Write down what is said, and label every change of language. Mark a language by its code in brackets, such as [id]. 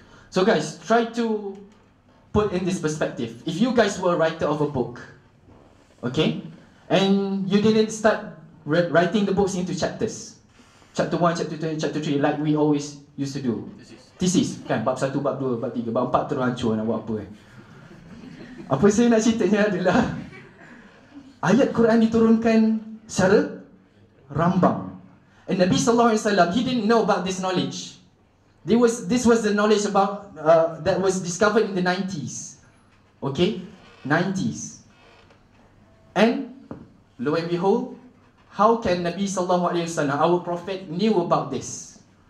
[en] So guys, try to put in this perspective. If you guys were a writer of a book, okay, and you didn't start writing the books into chapters, chapter 1, chapter 2, chapter 3, like we always used to do. [ms] Thesis, kan? Bab 1, bab 2, bab 3, bab 4 terus hancur nak buat apa eh? Apa saya nak ceritanya adalah ayat Quran diturunkan secara rambang. [en] And Nabi sallallahu alaihi wasallam, he didn't know about this knowledge. This was the knowledge about that was discovered in the 90s. Okay? 90s. And lo and behold, how can Nabi sallallahu alaihi wasallam, our prophet, knew about this?